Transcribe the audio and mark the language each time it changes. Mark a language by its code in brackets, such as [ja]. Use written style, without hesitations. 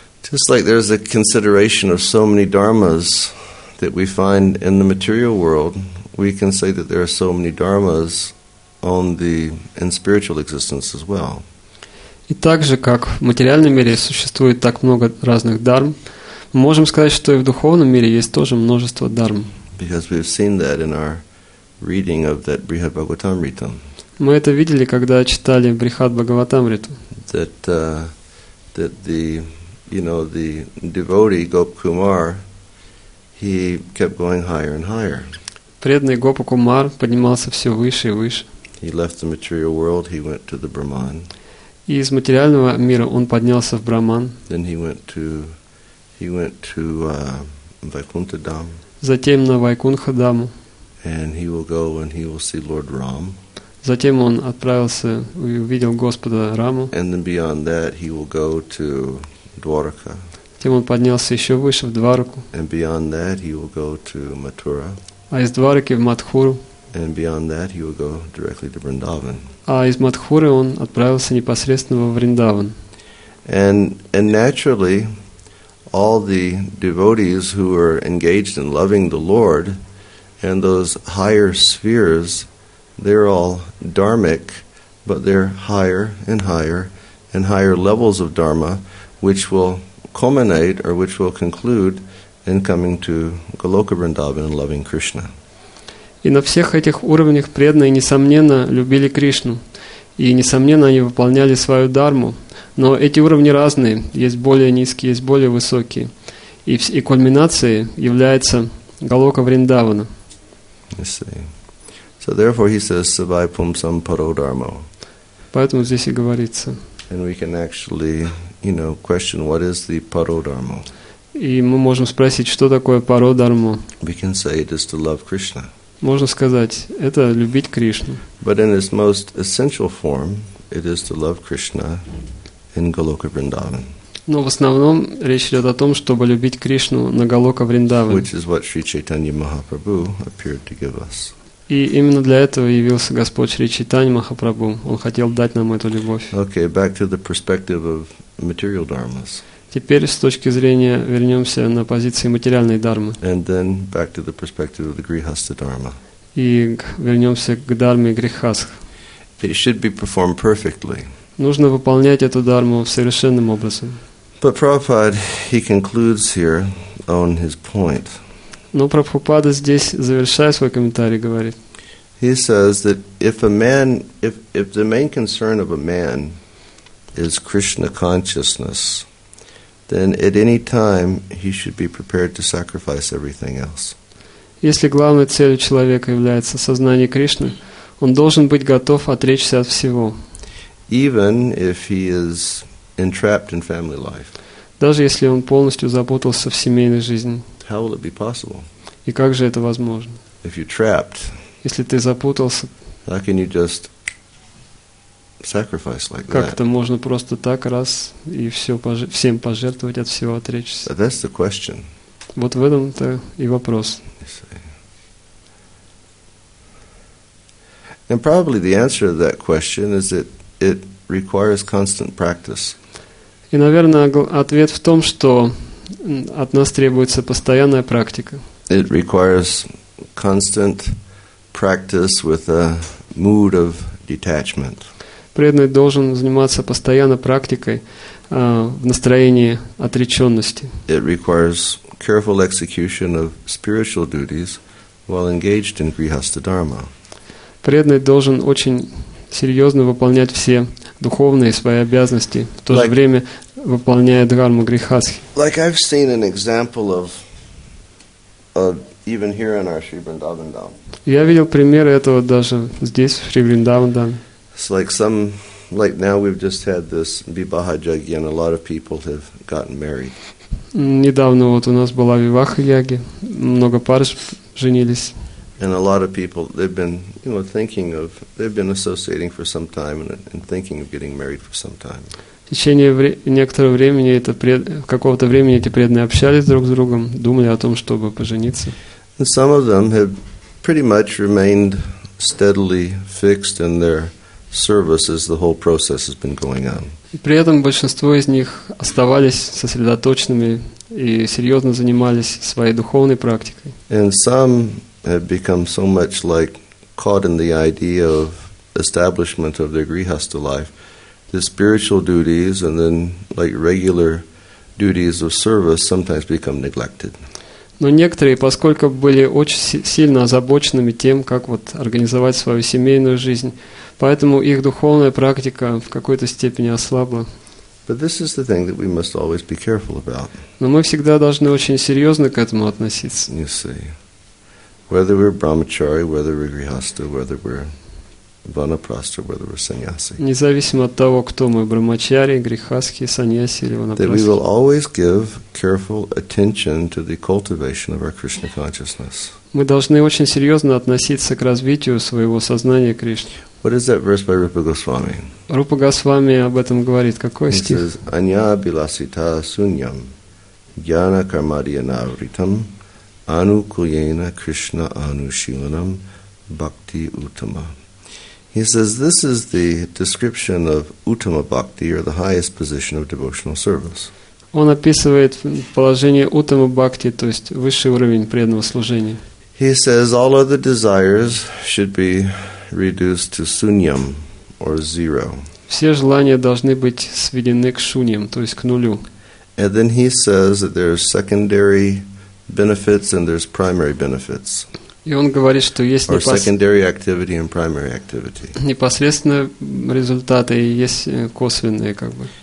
[en] Just like there's a consideration of so many dharmas that we find in the material world, we can say that there are so many dharmas in spiritual existence as well. [ru] И также, как в материальном мире существует так много разных дарм, мы можем сказать, что и в духовном мире есть тоже множество дарм. [en] Because we've seen that in our reading of that Brihad Bhagavatamritam. [ru] Мы это видели, когда читали Брихад Бхагаватамриту. [en] That the, you know, the devotee Gop Kumar, he kept going higher and higher. [ru] Преданный Гопа Кумар поднимался все выше и выше. [en] He left the material world, he went to the Brahman. [ru] И из материального мира он поднялся в Брахман. [en] Then he went to Vaikuntha Dham. [ru] Затем на Вайкунха Даму. [en] And he will go and he will see Lord Ram. [ru] Затем он отправился и увидел Господа Раму. [en] And then beyond that he will go to Dwaraka. [ru] Затем он поднялся еще выше в Двараку. [en] And beyond that he will go to Mathura. [ru] А из Двараки в Матхуру. [en] And beyond that he will go directly to Vrindavan. [ru] А из Матхуры он отправился непосредственно во Вриндаван. [en] And naturally, all the devotees who are engaged in loving the Lord and those higher spheres, they're all dharmic, but they're higher and higher and higher levels of dharma, which will culminate or which will conclude in coming to Goloka Vrindavan and loving Krishna. [ru] И на всех этих уровнях преданные, несомненно, любили Кришну. И, несомненно, они выполняли свою дарму. Но эти уровни разные. Есть более низкие, есть более высокие. И кульминацией является Голока Вриндавана. [en] I see. So therefore he says, [sa] Savai Pumsam Paro Dharmo. [ru] Поэтому здесь и говорится. [en] And we can actually, you know, question what is the Paro Dharmo. [ru] И мы можем спросить, что такое Паро Дарму. [en] We can say it is to love Krishna. [ru] Можно сказать, это любить Кришну. [en] But in its most essential form, it is to love Krishna in Goloka Vrindavan. [ru] Но в основном речь идет о том, чтобы любить Кришну на Голока Вриндаван. [en] Which is what Sri Chaitanya Mahaprabhu appeared to give us. [ru] И именно для этого явился Господь Шри Чайтанья Махапрабху. Он хотел дать нам эту любовь. [en] Okay, back to the perspective of material dharmas. [ru] Теперь с точки зрения вернемся на позиции материальной дармы. [en] And then back to the perspective of the grihastha dharma. [ru] И вернемся к дарме грихасх. [en] It should be performed perfectly. [ru] Нужно выполнять эту дарму совершенным образом. [en] But Prabhupada, he concludes here on his point. [ru] Но Прабхупада здесь завершая свой комментарий говорит. [en] He says that if the main concern of a man is Krishna consciousness, then at any time he should be prepared to sacrifice everything else. [ru] Если главной целью человека является сознание Кришны, он должен быть готов отречься от всего. [en] Even if he is entrapped in family life. [ru] Даже если он полностью запутался в семейной жизни. [en] How will it be possible? [ru] И как же это возможно? [en] If you're trapped. [ru] Если ты запутался. [en] How can you just sacrifice like [ru] Как это можно просто так раз и все всем пожертвовать от всего отречься? [en] But that's the question. [ru] Вот в этом-то и вопрос. [en] And probably the answer to that question is that it requires constant practice. [ru] И, наверное, ответ в том, что от нас требуется постоянная практика. [en] It requires constant practice with a mood of detachment. [ru] Преданный должен заниматься постоянно практикой в настроении отреченности. [en] It requires careful execution of spiritual duties while engaged in grihastha dharma. [ru] Преданный должен очень серьезно выполнять все духовные свои обязанности, в то же время выполняя дхарму грихасхи. [en] Like I've seen an example of even here in our Sri Vrindavan Dham. [ru] Я видел примеры этого даже здесь, в Шри Вриндаван Дхам. [en] It's like some, like now we've just had this Vibaha Jagya and a lot of people have gotten married. [ru] Недавно вот у нас была Виваха Яги, много пар женились. [en] And a lot of people, they've been, you know, thinking of, they've been associating for some time and thinking of getting married for some time. [ru] В течение некоторого времени, какого-то времени эти преданные общались друг с другом, думали о том, чтобы пожениться. [en] And some of them have pretty much remained steadily fixed in their service as the whole process has been going on. [ru] При этом большинство из них оставались сосредоточенными и серьезно занимались своей духовной практикой. [en] And some have become so much like caught in the idea of establishment of their grihastha life, the spiritual duties and then like regular duties of service sometimes become neglected. [ru] Но некоторые, поскольку были очень сильно озабоченными тем, как вот организовать свою семейную жизнь, поэтому их духовная практика в какой-то степени ослабла. [en] But this is the thing that we must always be careful about. [ru] Но мы всегда должны очень серьезно к этому относиться. [en] You see, whether we're brahmachari, whether we're grihastha, whether we're vanaprastha, whether we're sannyasi. [ru] Независимо от того, кто мы, брахмачари, грихасхи, саньяси или ванапрасхи. [en] That we will always give careful attention to the cultivation of our Krishna consciousness. [ru] Мы должны очень серьезно относиться к развитию своего сознания Кришны. [en] What is that verse by Rupa Goswami? [ru] Rupa Goswami об этом говорит. Какой стих? [en] He says, [sa] Anya bilasita sunyam, jnana karmadiyana vritam, anukulyena krishna anushilanam, bhakti uttama. [en] He says, this is the description of uttama bhakti, or the highest position of devotional service. [ru] Он описывает положение uttama bhakti, то есть высший уровень преданного служения. [en] He says, all other desires should be reduced to sunyam or zero. [ru] Все желания должны быть сведены к шуньям, то есть к нулю. [en] And then he says that there's secondary benefits and there's primary benefits. [ru] И он говорит, что есть [en] secondary activity and primary activity. [ru] Непосредственно результаты и есть косвенные, как бы.